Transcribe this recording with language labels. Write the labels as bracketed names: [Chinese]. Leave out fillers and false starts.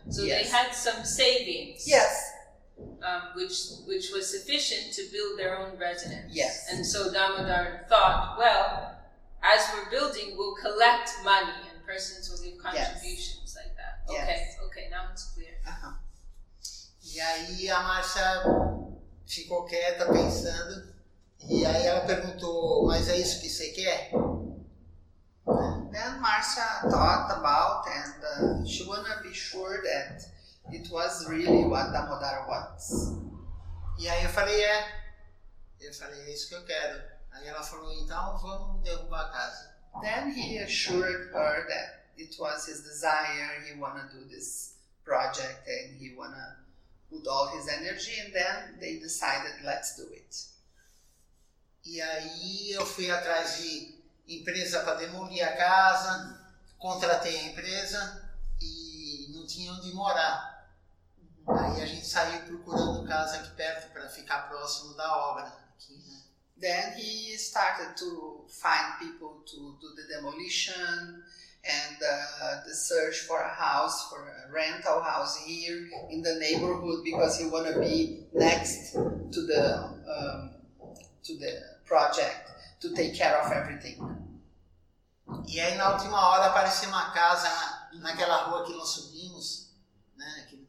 [English] So yes. They had some savings. Yes. Which was sufficient to build their own residence. Yes. And so Damodar thought, well, as we're building, we'll collect money and persons will give contributions. Yes. Like that. Yes. Okay, now it's clear. Uh-huh. [Portuguese] E aí a Marcia ficou quieta pensando, e aí ela perguntou, mas é isso que você quer? [English] Then Marcia thought about and she wanna be sure that it was really what Damodar wants. [Portuguese] E aí eu falei, é. Eu falei, é isso que eu quero. Aí ela falou, então vamos derrubar a casa. [English] Then he assured her that it was his desire, he wanna do this project and he wanna put all his energy, and then they decided, let's do it. [Portuguese] E aí eu fui atrás de empresa para demolir a casa, contratei a empresa e não tinha onde morar. Aí a gente saiu procurando casa aqui perto para ficar próximo da obra. Aqui, né? [English] Then he started to find people to do the demolition and the search for a house, for a rental house here in the neighborhood, because he wanna be next to the project to take care of everything. [Portuguese] E aí na última hora apareceu uma casa naquela rua que nós subimos, né?